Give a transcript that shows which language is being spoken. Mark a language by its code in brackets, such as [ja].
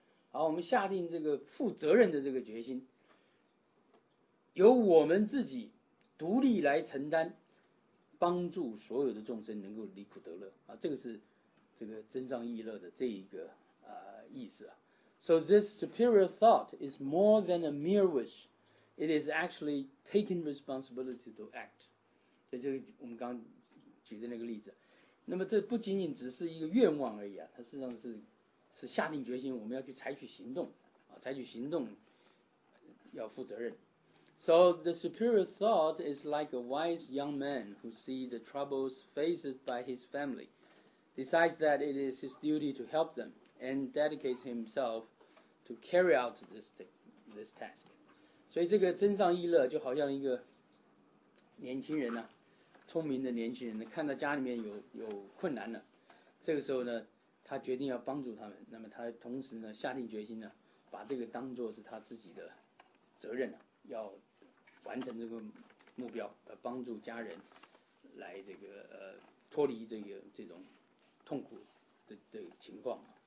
[zh] 好，我们下定这个负责任的这个决心，由我们自己独立来承担，帮助所有的众生能够离苦得乐啊，这个是这个增上益乐的这一个意思啊。 [en] So this superior thought is more than a mere wish; it is actually taking responsibility to act. [zh] 所以这个我们刚举的那个例子，那么这不仅仅只是一个愿望而已啊，它实际上是下定决心，我们要去采取行动啊，采取行动要负责任。 [en] So the superior thought is like a wise young man who sees the troubles faced by his family, decides that it is his duty to help them, and dedicates himself to carry out this task. [zh] 所以这个增上益乐就好像一个年轻人啊，聪明的年轻人，看到家里面有困难了，这个时候呢，他决定要帮助他们，那么他同时呢，下定决心呢，把这个当作是他自己的责任啊，要完成这个目标，帮助家人来这个脱离这个这种痛苦的情况。